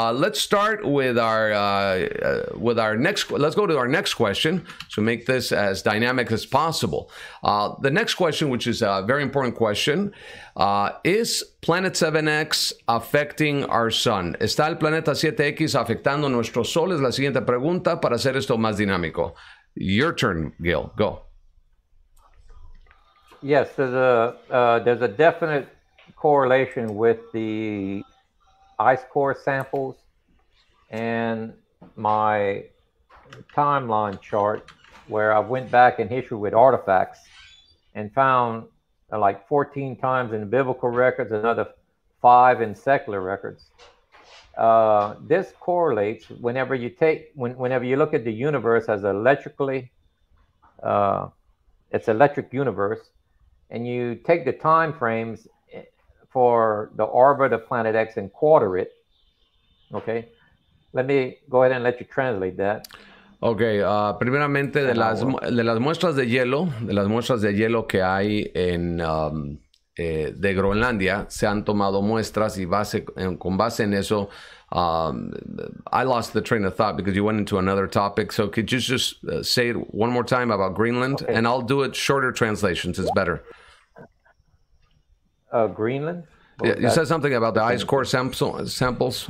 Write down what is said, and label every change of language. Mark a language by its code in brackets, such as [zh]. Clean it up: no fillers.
[en] Let's start let's go to our next question to make this as dynamic as possible. The next question, which is a very important question, is Planet 7X affecting our sun? [es] ¿Está el planeta 7X afectando nuestro sol? Es la siguiente pregunta para hacer esto más dinámico. [en] Your turn, Gil, go. Yes, there's a definite correlation with the ice core samples and my timeline chart, where I went back in history with artifacts and found like 14 times in biblical records, another 5 in secular records. This correlates whenever you look at the universe as electrically, it's electric universe. And you take the time frames for the orbit of Planet X and quarter it. Okay, let me go ahead and let you translate that. [es] Okay, primeramente de las muestras de hielo que hay en de Groenlandia, se han tomado muestras y con base en eso. [en] I lost the train of thought because you went into another topic. So could you just say it one more time about Greenland? Okay. And I'll do it shorter translations. It's better. Greenland? Yeah, you said something about the ice core samples.